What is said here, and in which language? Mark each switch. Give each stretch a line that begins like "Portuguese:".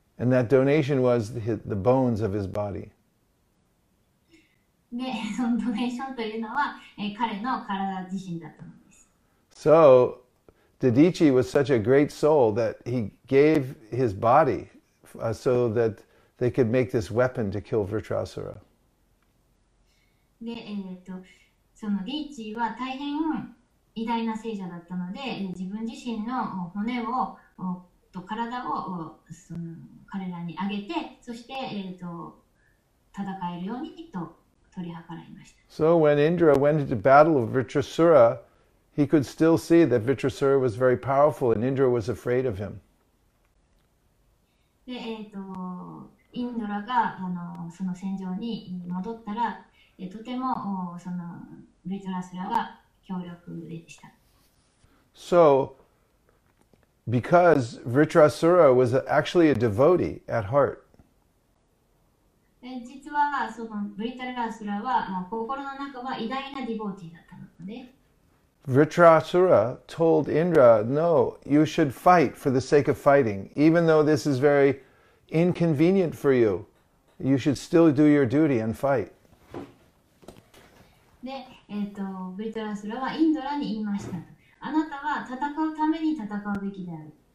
English: And that donation was the bones of his body.
Japanese: で、そのドネーションというのは、彼の体自身だったのです。
English: So, Didichi was such a great soul that he gave his body so that they could make this weapon to kill Vritrasura.
Japanese: で、そのリーチは大変偉大な聖者だったので、自分自身の骨をと体をその彼らにあげて、そして戦えるようにと取り計らいました。
English: So when Indra went into battle with Vritrasura, he could still see that Vritrasura was very powerful and Indra was afraid of him.
Japanese: で、インドラがその戦場に戻ったら、とてもそのヴリトラスラが強力でした。
English: So, because Vritrasura was actually a devotee at heart.
Japanese: 実はそのヴリトラスラは心の中は偉大なディボーティーだったので。
English: Vritrasura told Indra, "No, you should fight for the sake of fighting, even though this is very inconvenient for you. You should still do your duty and fight."
Japanese: で、ブリトラスラはインドラに言いました。あなたは戦うために戦うべきである。